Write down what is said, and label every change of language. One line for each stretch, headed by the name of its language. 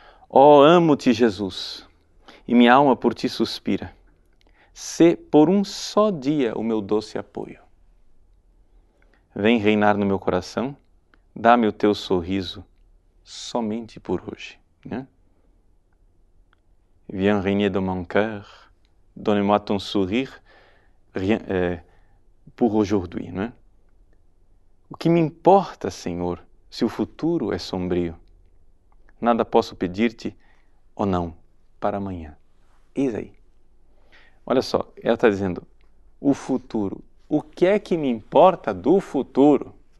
Portuguese: Ó, amo-te, Jesus, e minha alma por ti suspira. Sê por um só dia o meu doce apoio. Vem reinar no meu coração, dá-me o teu sorriso somente por hoje, né?
French: Viens régner dans mon cœur, donne-moi ton sourire pour aujourd'hui, né?
Portuguese: O que me importa, Senhor, se o futuro é sombrio? Nada posso pedir-te, ou não, para amanhã. Eis aí. Olha só, ela está dizendo: o futuro. O que é que me importa do futuro?